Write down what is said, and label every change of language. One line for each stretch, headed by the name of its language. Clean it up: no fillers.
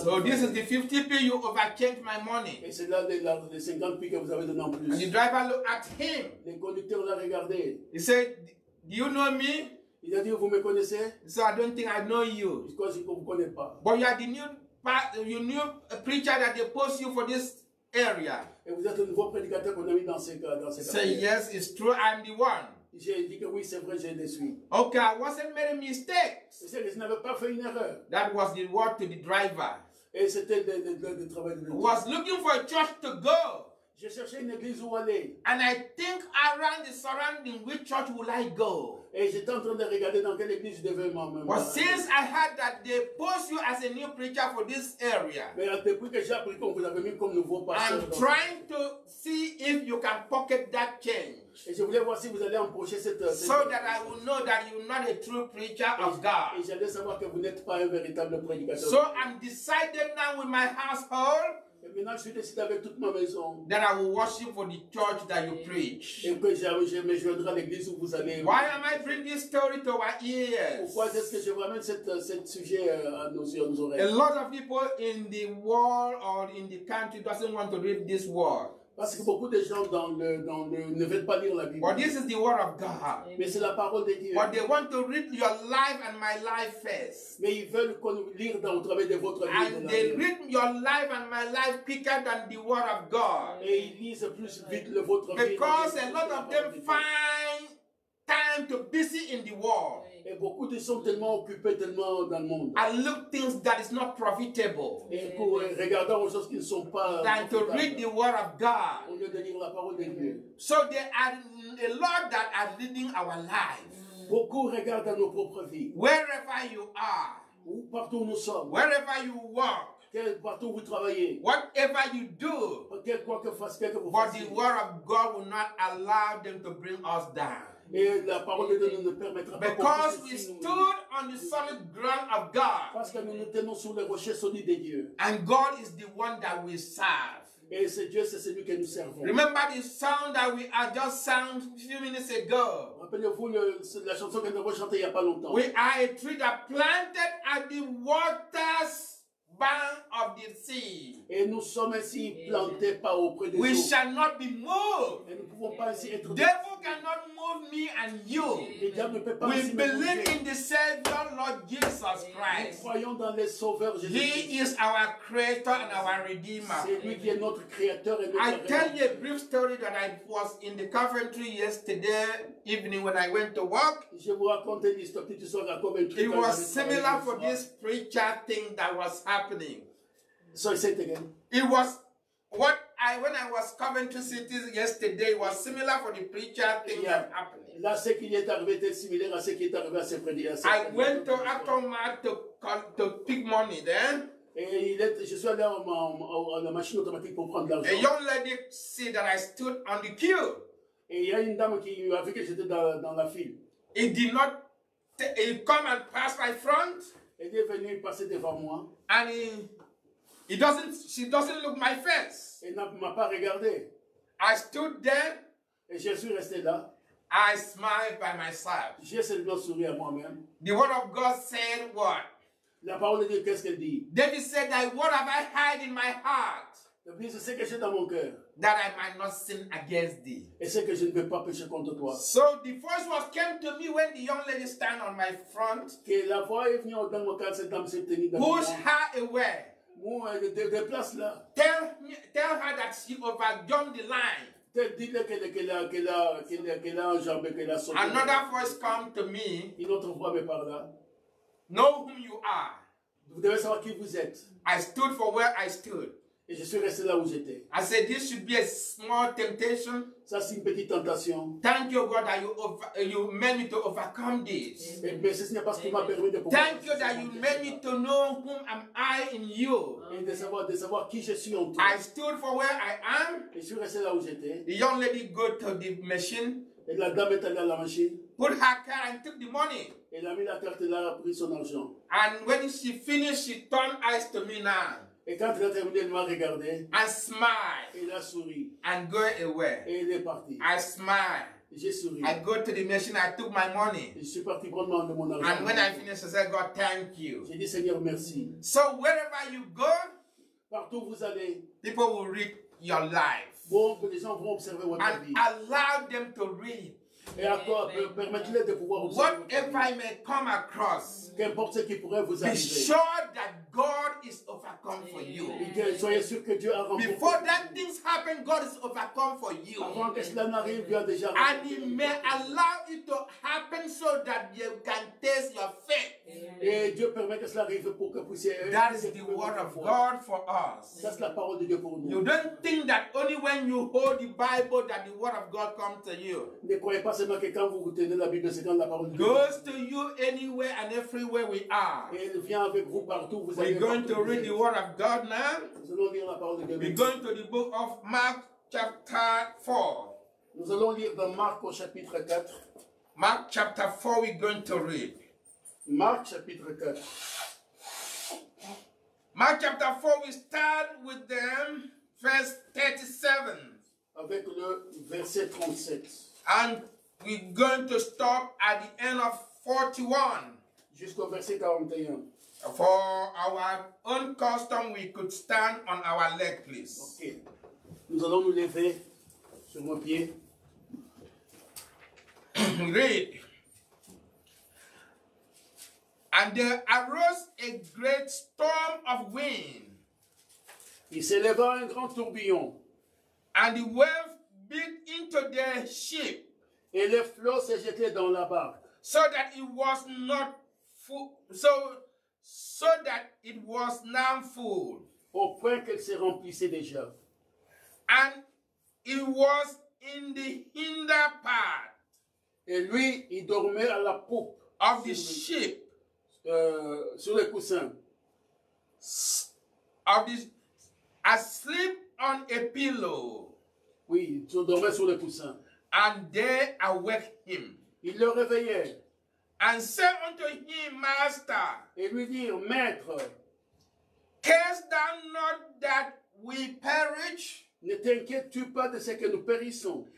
English: So this is the 50 P you overchanged my money.
French: Et c'est là les 50 P que vous avez donné en plus.
English: And the driver looked at him.
French: Le conducteur l'a regardé.
English: He said, do you know me?
French: Il a dit, vous me connaissez?
English: So I don't think I know you. Because
French: il ne vous connaît pas.
English: But you are the new preacher that they post you for this area.
French: Et vous êtes le nouveau prédicateur qu'on a mis dans cette dans cette
English: say
French: arrière.
English: Yes, it's true, I'm the one.
French: J'ai dit que oui, c'est vrai, je le suis.
English: Okay, I wasn't made a mistake.
French: C'est que je n'avais pas fait une erreur.
English: That was the word to the driver.
French: Et c'était le travail de l'autre.
English: Was looking for a church to go.
French: Je cherchais une église où aller.
English: And I think around the surrounding, which church will I go?
French: Et j'étais en train de regarder dans quelle église je devais m'en aller.
English: But since I heard that they post you as a new preacher for this area.
French: Mais depuis que j'ai appris qu'on vous avait mis comme nouveau pasteur.
English: I'm trying to see if you can pocket that change.
French: Et je voulais voir si vous allez empocher cette
English: so that I will know that you're not a true preacher of God.
French: Et j'allais savoir que vous n'êtes pas un véritable prédicateur.
English: So I'm decided now with my household.
French: Et maintenant, je suis décidé avec toute ma maison.
English: That I will worship for the church that you preach.
French: Et que je me joindrai à l'église où vous allez.
English: Why am I bringing this story to our ears?
French: Pourquoi est-ce que je ramène cet sujet à nos oreilles?
English: A lot of people in the world or in the country doesn't want to read this word.
French: Parce que beaucoup de gens dans le ne veulent pas lire la Bible.
English: But this is the word of God.
French: Mais c'est la parole de Dieu.
English: But they want to read your life and my life first.
French: Mais ils veulent qu'on lire dans au travers de votre vie.
English: And they read your life and my life quicker than the word of God.
French: Et ils lisent plus vite le votre vie.
English: Because a lot of them find time to busy in the world.
French: Et beaucoup de sont tellement occupés, tellement dans le monde.
English: I look things that is not profitable.
French: Et pour regarder aux choses qui ne sont pas.
English: Than to read the word of God.
French: Au lieu de lire la parole de Dieu.
English: So there are a lot that are leading our lives.
French: Beaucoup regardent nos propres vies.
English: Wherever you are.
French: Où partout où nous sommes.
English: Wherever you work.
French: Partout où vous travaillez.
English: Whatever you do.
French: Quoi que vous fassiez.
English: The word of God will not allow them to bring us down.
French: Et la parole de Dieu ne permettra pas.
English: Because we stood on the solid ground of God.
French: Parce que nous nous tenons sur les rochers solides de Dieu.
English: And God is the one that we serve.
French: Et c'est Dieu, c'est celui que nous servons.
English: Remember the song that we had just sang a few minutes ago.
French: Rappelez-vous la chanson que nous avons chantée il y a pas longtemps.
English: We are a tree that planted at the waters bank of the sea.
French: Et nous sommes ainsi plantés par auprès des
English: eaux. We shall not be moved.
French: Et nous pouvons pas ainsi être.
English: Devil cannot move me and you.
French: Et Dieu ne peut pas
English: we believe in the Savior, Lord Jesus Christ.
French: Nous croyons dans le Sauveur Jésus-Christ.
English: He is our Creator and our Redeemer.
French: C'est lui qui est notre Créateur et notre
English: I tell you a brief story that I was in the carpentry yesterday evening when I went to work.
French: Je vous raconte une histoire petite sur la carpentry.
English: It was similar for this preacher thing that was happening. So I said again. It was when I was coming to city yesterday, it was similar for the preacher thing that happened.
French: Là, ce qui est arrivé était similaire à ce qui est arrivé à ce prédicateur.
English: I went to automat to pick money then.
French: Et je suis allé à la machine automatique pour prendre l'argent.
English: A young lady said that I stood on the queue.
French: Et il y a une dame qui a vu que j'étais dans la file.
English: It did not it come and pass my front.
French: Elle est venue passer devant moi.
English: And she doesn't look my face.
French: Elle ne m'a pas regardé.
English: I stood there.
French: Et je suis resté là.
English: I smiled by myself.
French: J'ai simplement souri à moi-même.
English: The word of God said what?
French: La parole de Dieu, qu'est-ce qu'elle dit?
English: David said, what have I hide in my heart?
French: David, c'est ce que j'ai dans mon cœur.
English: That I might not sin against thee.
French: Et c'est que je ne peux pas pécher contre toi.
English: So the voice was came to me when the young lady stand on my front.
French: Que la voix est venue dans mon cœur, cette dame s'est tenue dans
English: push her away.
French: Déplace là.
English: Tell her that she overjumped the line.
French: Dis-le qu'elle a enjambé, qu'elle a sauté.
English: Another voice come to me.
French: Une autre voix me parle.
English: Know whom you are.
French: Vous devez savoir qui vous êtes.
English: I stood for where I stood.
French: Et je suis resté là où j'étais.
English: I said this should be a small temptation.
French: Ça c'est une petite tentation.
English: Thank you God that you made me to overcome this.
French: Et mais ce n'est pas ce qui m'a permis de pouvoir.
English: Thank you that you made me to know whom am I in you.
French: Et de savoir qui je suis en toi.
English: I stood for where I am.
French: Et je suis resté là où j'étais.
English: The young lady go to the machine.
French: Et la dame est allée à la machine.
English: Put her car and took the money.
French: Et la mine a carte là a pris son argent.
English: And when she finished, she turned eyes to me now.
French: Et quand elle a terminé, elle m'a regardé.
English: And smile.
French: Et elle a souri.
English: And go away.
French: Et elle est partie.
English: I smile. I go to the machine, I took my money.
French: Je suis parti prendre mon argent.
English: And when I finished, I said, God, thank you.
French: J'ai dit, Seigneur, merci.
English: So wherever you go,
French: partout vous allez,
English: people will read your life.
French: Bon, les gens vont observer votre
English: and
French: vie.
English: Allow them to read.
French: Et à toi, permettez-les de pouvoir observer
English: whatever
French: votre vie.
English: I may come across,
French: qu'importe ce qui pourrait vous arriver.
English: Be sure that God is overcome for you.
French: Et soyez sûr que Dieu a remporté.
English: Before that things happen, God is overcome for you.
French: Avant que cela n'arrive, Dieu a déjà remporté.
English: And He may allow it to happen so that you can taste your faith.
French: Et Dieu permet que cela arrive pour que vous puissiez.
English: That is the word of God for us.
French: Ça, c'est la parole de Dieu pour nous.
English: You don't think that only when you hold the Bible that the word of God comes to you.
French: Ne croyez pas seulement que quand vous tenez la Bible, c'est quand la parole de Dieu.
English: Goes to you anywhere and everywhere we are.
French: Et elle vient avec vous partout.
English: We're going to read the word of God now.
French: Nous allons lire la parole de Dieu.
English: We're going to the book of Mark chapter 4.
French: Nous allons lire dans Marc au chapitre 4.
English: Mark chapter 4 we're going to read.
French: Mark chapitre 4.
English: Mark chapter 4 we start with the verse 37.
French: Avec le verset 37.
English: And we're going to stop at the end of 41.
French: Jusqu'au verset 41.
English: For our own custom, we could stand on our leg, please. Okay.
French: Nous allons nous lever sur mon pied.
English: Read. And there arose a great storm of wind.
French: Il s'éleva un grand tourbillon.
English: And the wave beat into the ship.
French: Et les flots se jetaient dans la barque.
English: So that it was not full. So that it was now full.
French: Au point qu'elle se remplissait déjà.
English: And it was in the hinder part.
French: Et lui, il dormait à la poupe.
English: Of the ship.
French: Sur le coussin.
English: Of the, asleep on a pillow.
French: Oui, il dormait sur le coussin.
English: And they awake him.
French: Il le réveillait.
English: And said unto him, Master,
French: et lui dire, Maître,
English: cares thou not that we perish?
French: Ne t'inquiètes-tu pas de ce que nous périssons?